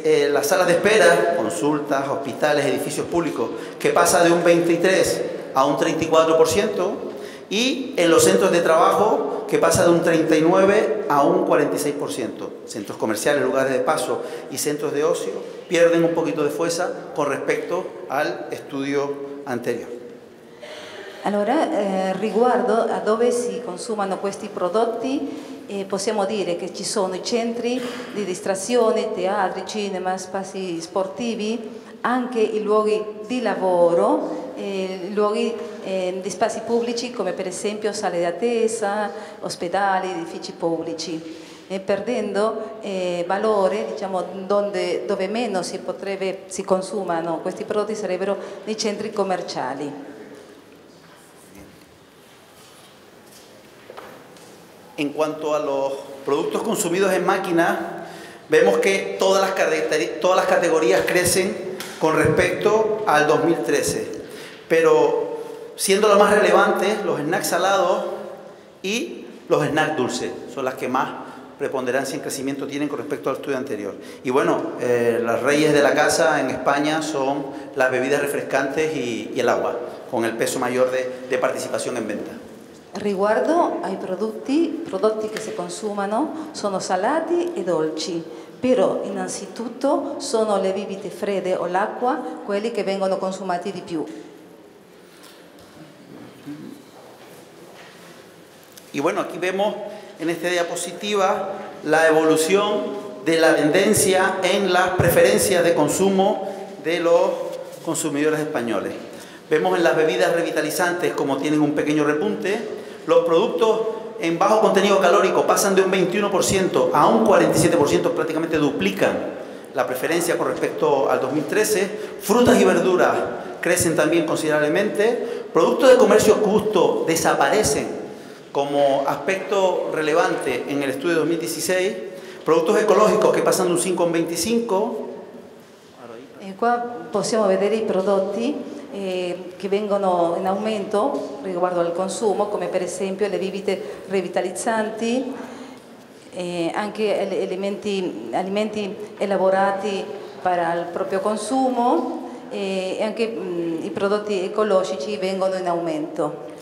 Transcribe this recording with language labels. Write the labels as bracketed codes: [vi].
[es] Las salas de espera, consultas, hospitales, edificios públicos, que pasa de un 23% a un 34%. Y en los centros de trabajo, que pasa de un 39% a un 46%. Centros comerciales, lugares de paso y centros de ocio pierden un poquito de fuerza con respecto al estudio anterior. [it] Allora, riguardo a dove si consumano questi prodotti, possiamo dire che ci sono i centri di distrazione, teatri, cinema, spazi sportivi, anche i luoghi di lavoro, luoghi di spazi pubblici come per esempio sale d'attesa, ospedali, edifici pubblici, perdendo valore, diciamo, dove meno si consumano questi prodotti sarebbero nei centri commerciali. [es] En cuanto a los productos consumidos en máquina, vemos que todas las categorías crecen con respecto al 2013, pero siendo las más relevantes, los snacks salados y los snacks dulces son las que más preponderancia en crecimiento tienen con respecto al estudio anterior. Y bueno, las reyes de la casa en España son las bebidas refrescantes y el agua, con el peso mayor de participación en venta. [it] Riguardo ai prodotti che si consumano sono salati e dolci, però innanzitutto sono le bibite fredde o l'acqua quelli che vengono consumati di più. [es] Y bueno, aquí vemos en esta diapositiva la evolución de la tendencia en las preferencias de consumo de los consumidores españoles. Vemos en las bebidas revitalizantes como tienen un pequeño repunte. Los productos en bajo contenido calórico pasan de un 21% a un 47%, prácticamente duplican la preferencia con respecto al 2013. Frutas y verduras crecen también considerablemente. Productos de comercio justo desaparecen como aspecto relevante en el estudio de 2016. Productos ecológicos que pasan de un 5 a un 25%. [it] Qua possiamo vedere i prodotti che vengono in aumento riguardo al consumo, come per esempio le bibite revitalizzanti, anche alimenti elaborati per il proprio consumo, e anche i prodotti ecologici vengono in aumento.